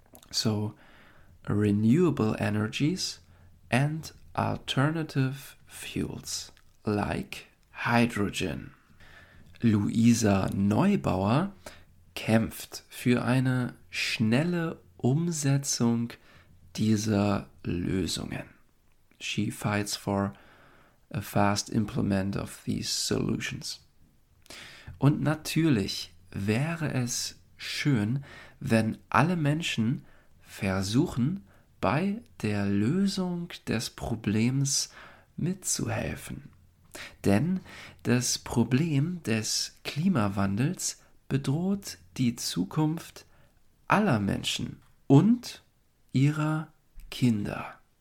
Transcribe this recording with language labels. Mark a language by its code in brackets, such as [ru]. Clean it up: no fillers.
[en] So, renewable energies and alternative fuels like hydrogen. [de] Luisa Neubauer kämpft für eine schnelle Umsetzung dieser Lösungen. [en] She fights for a fast implement of these solutions. [de] Und natürlich wäre es schön, wenn alle Menschen versuchen, bei der Lösung des Problems mitzuhelfen. Denn das Problem des Klimawandels bedroht die Zukunft aller Menschen und ihrer Kinder.